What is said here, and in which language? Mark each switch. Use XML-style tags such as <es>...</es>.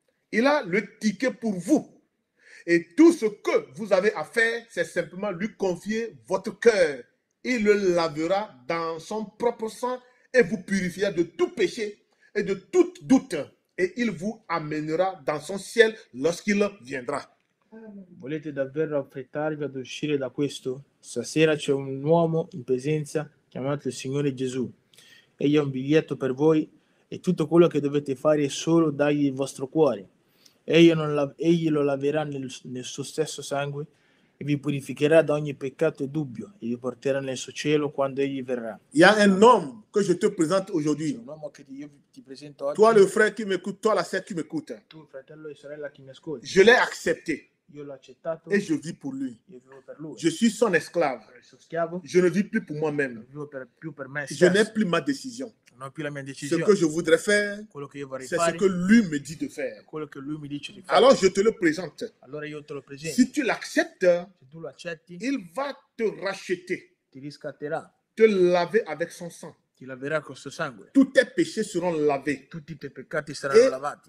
<fr>Il a le ticket pour vous. Et tout ce que vous avez à faire, c'est simplement lui confier votre cœur. Il le lavera dans son propre sang et vous purifiera de tout péché et de tout doute. Et il vous amènera dans son ciel lorsqu'il viendra.</fr> <it>Volete davvero affrettarvi ad uscire da questo? Stasera c'è un uomo in presenza chiamato il Signore Gesù. Egli ha un biglietto per voi e tutto quello che dovete fare è solo dargli il vostro cuore. Egli lo laverà nel suo stesso sangue e vi purificherà da ogni peccato e dubbio e vi porterà nel suo cielo quando egli verrà.</it> <fr>Il y a</fr> <it>un uomo che</it> <fr>je te présente aujourd'hui.</fr> <it>Un uomo che io ti presento oggi.</it> <fr>Toi le frère qui m'écoute, toi la sœur qui m'écoute.</fr> <it>Tu fratello e sorella che mi ascolti.</it> <fr>Je l'ai accepté.</fr> <it>Io l'ho accettato.</it> <fr>E je vis pour lui.</fr> <it>Io vivo per lui.</it> <fr>Je suis son esclave.</fr> <it>Il suo schiavo.</it> <fr>Je ne vis plus pour moi-même.</fr> <it>Non vivo più per me.</it> <fr>Je n'ai plus ma décision.</fr> <it>Non ho più la mia decisione.</it> <fr>Ce que je voudrais faire.</fr> <it>Quello che io vorrei fare.</it> <fr>C'est ce que lui me dit de faire.</fr> <it>Quello che lui mi dice di fare.</it> <fr>Alors je te le présente.</fr> <it>Allora io te lo presento.</it> <fr>Si tu l'accettes.</fr> <it>Se tu lo accetti.</it> <fr>Il va te racheter.</fr> <it>Ti riscatterà.</it> <fr>Te laver avec son sang.</fr> <it>Ti laverà con suo sangue.</it> <fr>Tous tes péchés seront lavés.</fr> <it>Tutti i tuoi peccati saranno lavati.</it>